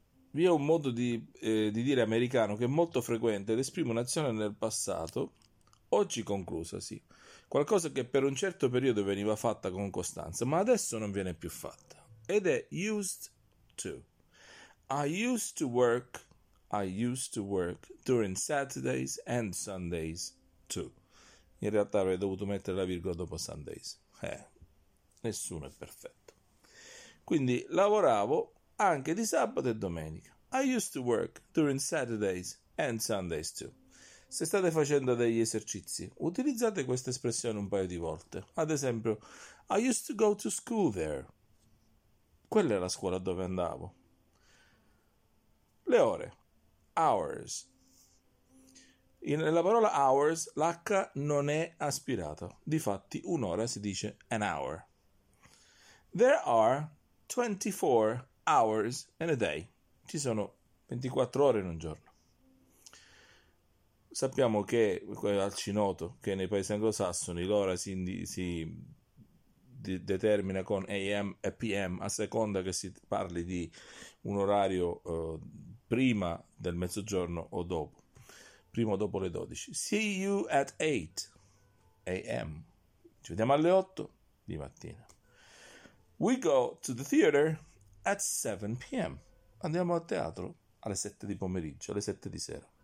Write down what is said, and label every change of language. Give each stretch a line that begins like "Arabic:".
Italian: Vi è un modo di dire americano che è molto frequente ed esprime un'azione nel passato, oggi conclusasi, qualcosa che per un certo periodo veniva fatta con costanza, ma adesso non viene più fatta. Ed è used to.
English: I used to work during Saturdays and Sundays too.
Italian: In realtà avrei dovuto mettere la virgola dopo Sundays. Nessuno è perfetto. Quindi lavoravo anche di sabato e domenica.
English: I used to work during Saturdays and Sundays too.
Italian: Se state facendo degli esercizi, utilizzate questa espressione un paio di volte. Ad esempio,
English: I used to go to school there.
Italian: Quella è la scuola dove andavo. Le ore. Hours. Nella parola hours l'H non è aspirata, difatti un'ora si dice
English: an hour. There are 24 hours in a day.
Italian: Ci sono 24 ore in un giorno. Sappiamo che, al cinoto, che nei paesi anglosassoni l'ora si determina con AM e PM a seconda che si parli di un orario prima del mezzogiorno o dopo. prima o dopo le 12.
English: See you at 8 a.m.
Italian: Ci vediamo alle 8 di mattina.
English: We go to the theater at 7 p.m.
Italian: Andiamo a teatro alle 7 di pomeriggio, alle 7 di sera.